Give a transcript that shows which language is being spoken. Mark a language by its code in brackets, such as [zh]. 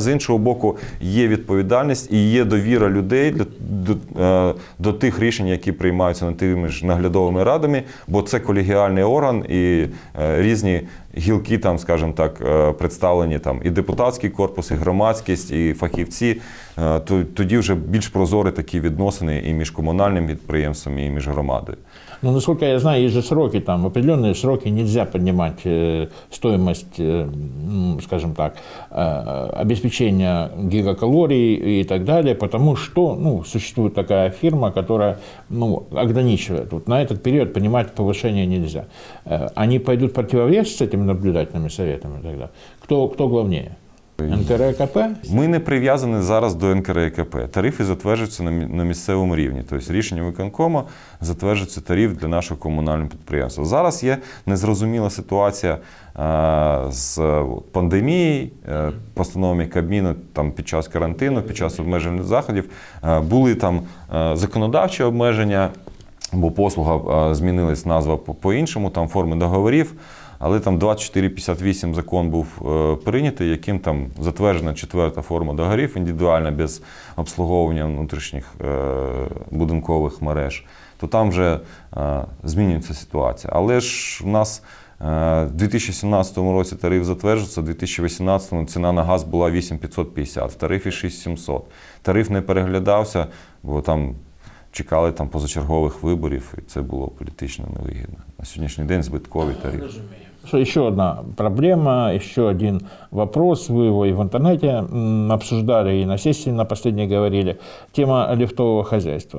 [uk] З іншого боку, є відповідальність і є довіра людей до тих рішень, які приймаються над тими ж наглядовими радами, бо це колегіальний орган і різні гілки, там, скажімо так, представлені там і депутатський корпус, і громадськість, і фахівці, тоді вже більш прозорі такі відносини і між комунальним підприємством, і між громадою. [ru] Ну, насколько я знаю, є же сроки, там, определенные сроки нельзя поднимать стоимость, скажем так, обеспечения гигакалорий и так далее, потому что, ну, существует такая фирма, которая, ну, ограничивает. Вот на этот период поднимать повышение нельзя. Они пойдут противовес с этими наблюдательными советами тогда? Кто главнее? НКРЕКП? [uk] Ми не прив'язані зараз до НКРЕКП. Тарифи затверджуються на місцевому рівні. Тобто рішення виконкому затверджується тариф для нашого комунального підприємства. Зараз є незрозуміла ситуація з пандемією, постановами Кабміну там, під час карантину, під час обмежених заходів. Були там законодавчі обмеження, бо послуга змінилась, назва по-іншому, там форми договорів. Але там 2458 закон був прийнятий, яким там затверджена четверта форма договорів, індивідуальна, без обслуговування внутрішніх будинкових мереж, то там вже змінюється ситуація. Але ж в нас в 2017 році тариф затверджується, в 2018 ціна на газ була 8550, в тарифі 6700. Тариф не переглядався, бо там чекали там позачергових виборів, і це було політично невигідно. На сьогоднішній день збитковий тариф. [ru] Еще одна проблема, еще один вопрос, вы его и в интернете обсуждали, и на сессии на последней говорили, тема лифтового хозяйства.